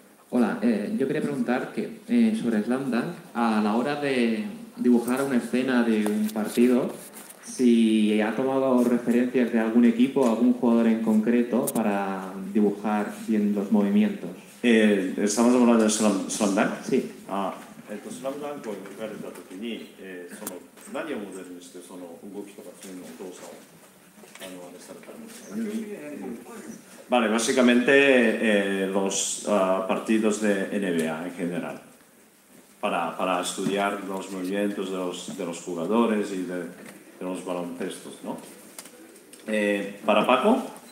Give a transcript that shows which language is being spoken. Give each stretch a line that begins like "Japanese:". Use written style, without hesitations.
Spanish: Hola, yo quería preguntar que sobre Slam Dunk, a la hora de dibujar una escena de un partido, si ha tomado referencias de algún equipo, algún jugador en concreto para dibujar bien los movimientos. ¿Estamos hablando de Slam Dunk? Sí.
Japanese: Slam Dunk を描かれた時に、その何をモデルにしてその動きとかそういうの動作をあれされたんですか？
Spanish: Vale, básicamente los partidos de NBA en general. Para estudiar los movimientos de los jugadores y de los baloncestos, ¿no? ¿Para Paco?